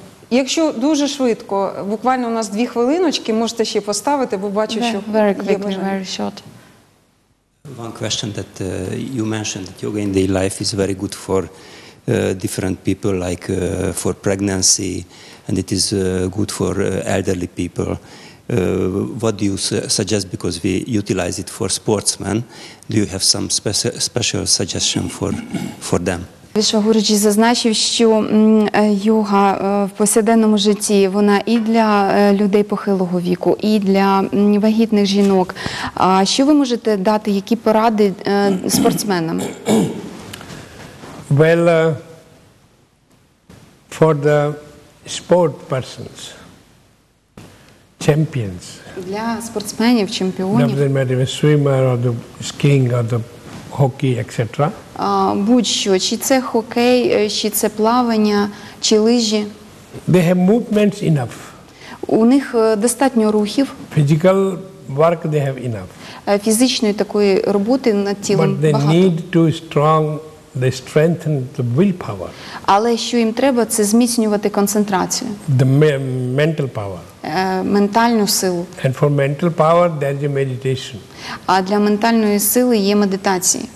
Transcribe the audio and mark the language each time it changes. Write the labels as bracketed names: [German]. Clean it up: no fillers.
[Ukrainian] Якщо дуже швидко, буквально у нас дві хвилиночки, можете ще поставити, бо бачу, що [English] very quickly, [Ukrainian] є бажання. [English] Very short. One question that you mentioned, that yoga in daily life is very good for different people, like for pregnancy, and it is good for elderly people. What do you suggest, because we utilize it for sportsmen, do you have some special suggestion for them? [Ukrainian] Вишагуриджі зазначив, що йога в повсякденному житті, вона і для людей похилого віку, і для вагітних жінок. А що ви можете дати, які поради спортсменам? [English] Well, for the sport persons, champions. [Ukrainian] Для спортсменів, чемпіонів. [English] Not the matter, the swimmer or the skiing or the hockey, etc. [Ukrainian] Будь-що, чи це хокей, чи це плавання, чи лижі. [English] They have movements enough. [Ukrainian] У них достатньо рухів. [English] Physical work they have enough. [Ukrainian] Фізичної такої роботи над тілом багато. [English] But they need to strong, they strengthen the willpower. [Ukrainian] Але що їм треба, це зміцнювати концентрацію. [English] The mental power. [Ukrainian] Ментальну силу. [English] And for mental power there is meditation. [Ukrainian] А для ментальної сили є медитації.